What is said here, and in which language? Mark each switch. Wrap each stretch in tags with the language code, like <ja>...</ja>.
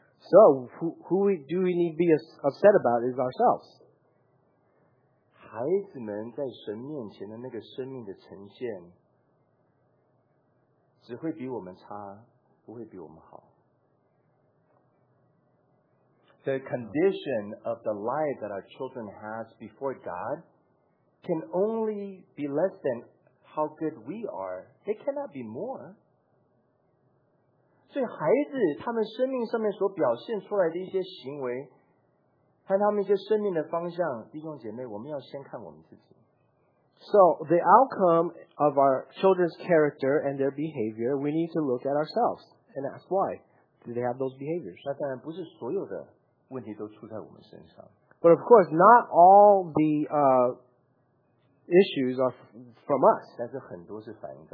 <en>So who do we need to be upset about is ourselves.</en> <zh>孩子们在神面前的那个生命的呈现, 只会比我们差, 不会比我们好。</zh> <en>The condition of the life that our children has before God can only be less than how good we are. It cannot be more.</en> <zh>所以孩子他们生命上面所表现出来的一些行为, 看他们一些生命的方向, 弟兄姐妹, 我们要先看我们自己。</zh> <en>So the outcome of our children's character and their behavior, we need to look at ourselves and ask why do they have those behaviors.</en> <zh>那当然不是所有的问题都出在我们身上。</zh> <en>But of course, not all the issues are from us.</en>